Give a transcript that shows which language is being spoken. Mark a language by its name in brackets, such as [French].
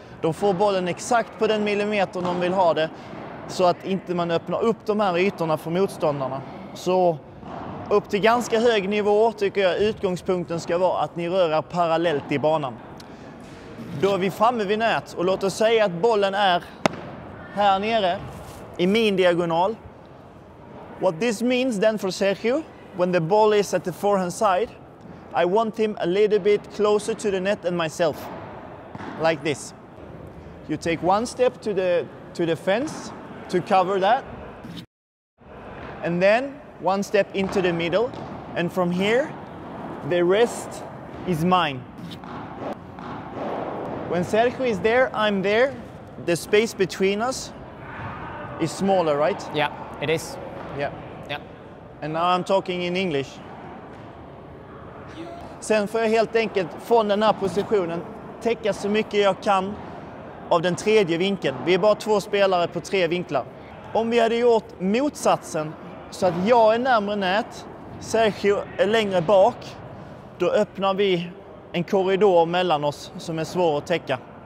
[Swedish] De får bollen exakt på den millimeter de vill ha det. Så att inte man öppnar upp de här ytorna för motståndarna. Så upp till ganska hög nivå tycker jag utgångspunkten ska vara att ni rör er parallellt i banan. Då är vi framme vid nät och låt oss säga att bollen är här nere i min diagonal. [English] What this means then for Sergio, when the ball is at the forehand side, I want him a little bit closer to the net than myself. Like this. You take one step to the fence to cover that. And then one step into the middle. And from here, the rest is mine. When Sergio is there, I'm there. The space between us is smaller, right? Yeah, it is. Yeah. Yeah. And now I'm talking in English. [Swedish] Sen får jag helt enkelt från den här positionen täcka så mycket jag kan av den tredje vinkeln. Vi är bara två spelare på tre vinklar. Om vi hade gjort motsatsen så att jag är närmare nät, Sergio är längre bak, då öppnar vi en korridor mellan oss som är svår att täcka.